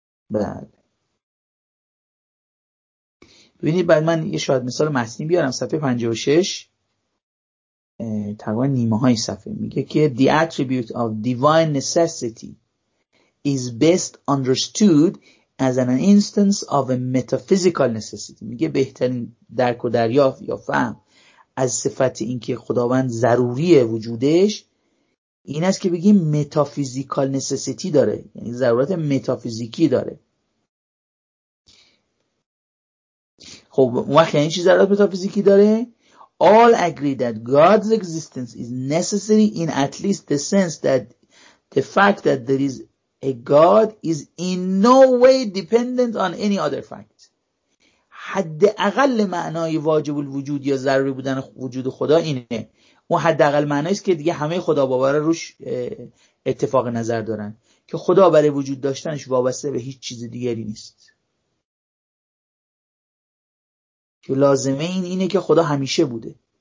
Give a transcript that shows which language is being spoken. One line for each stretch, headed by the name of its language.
Persian: بعد ببینید، بعد من یه شاهد مثال متنی بیارم، صفحه 56 تقریبا نیمه های صفحه، میگه که
English: the attribute of divine necessity is best understood as an instance of a metaphysical necessity.
Persian: میگه بهترین درک و دریافت یا فهم از صفت اینکه خداوند ضروریه وجودش این است که بگیم متافیزیکال نسسیتی داره، یعنی ضرورت متافیزیکی داره. خب اون وقت یعنی چی ضرورت متافیزیکی داره؟
English: All agree that God's existence is necessary in at least the sense that the fact that there is a God is in no way dependent on any other fact.
Persian: حد اقل معنای واجب الوجود یا ضروری بودن وجود خدا اینه. اون حد اقل معنایست که دیگه همه خدا باور روش اتفاق نظر دارن، که خدا برای وجود داشتنش وابسته به هیچ چیز دیگری نیست، که لازمه این اینه که خدا همیشه بوده.